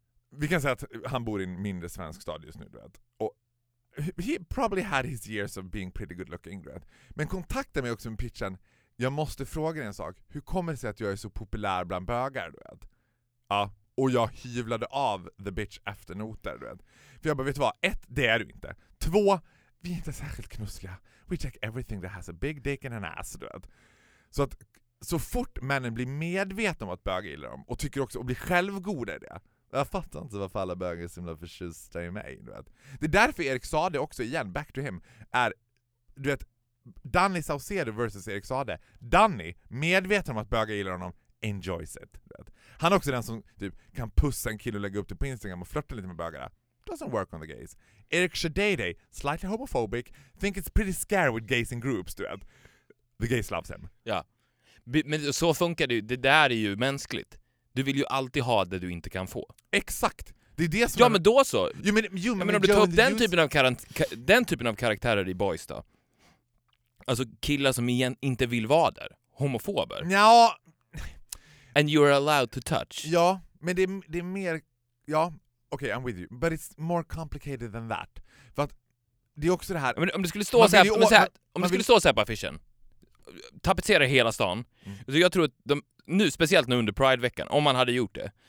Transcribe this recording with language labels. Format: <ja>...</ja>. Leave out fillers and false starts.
<sv>Vi kan säga att han bor i en mindre svensk stad just nu. Du vet. Och</sv> <en>he probably had his years of being pretty good looking.</en> <sv>Du vet. Men kontaktade mig också med pitchen. Jag måste fråga en sak. Hur kommer det sig att jag är så populär bland bögar? Du vet? Ja. Och jag hyvlade av</sv> <en>the bitch</en> <sv>efter noter. Du vet. För jag bara, vet du vad? Ett, det är du inte. Två, vi är inte särskilt knusliga.</sv> <en>We check everything that has a big dick and an ass.</en> <sv>Du vet. Så att så fort männen blir medvetna om att bögar gillar dem och tycker också att bli självgoda i det. Jag fattar inte varför alla bögar är så himla förtjusta i mig. Du vet. Det är därför Erik Sade också igen, back to him, är du vet, Danny Saucedo versus Erik Sade. Danny, medveten om att bögar gillar honom,</sv> <en>enjoys it.</en> <sv>Du vet. Han är också den som typ, kan pussa en kille och lägga upp det på Instagram och flirta lite med bögarna.</sv> <en>Doesn't work on the gays. Erik Shadede, slightly homophobic, think it's pretty scary with gays in groups,</en> <sv>du vet.</sv> <en>The gays loves him.</en> <sv>Ja. Men så funkar det ju. Det där är ju mänskligt. Du vill ju alltid ha det du inte kan få. Exakt. Det är det som... Ja, är... men då så. Men om du tar den typen av karaktärer i Boys då. Alltså killar som igen inte vill vara där. Homofober. Ja.</sv> <en>And you're allowed to touch.</en> <sv>Ja, men det är mer... Ja, okej,</sv> <en>okay, I'm with you. But it's more complicated than that.</en> <sv>För att det är också det här... Men om du skulle stå så här, ju... stå så här på affischen. Tapetserar hela stan. Mm. Så jag tror att speciellt nu under Pride-veckan, om man hade gjort det.</sv>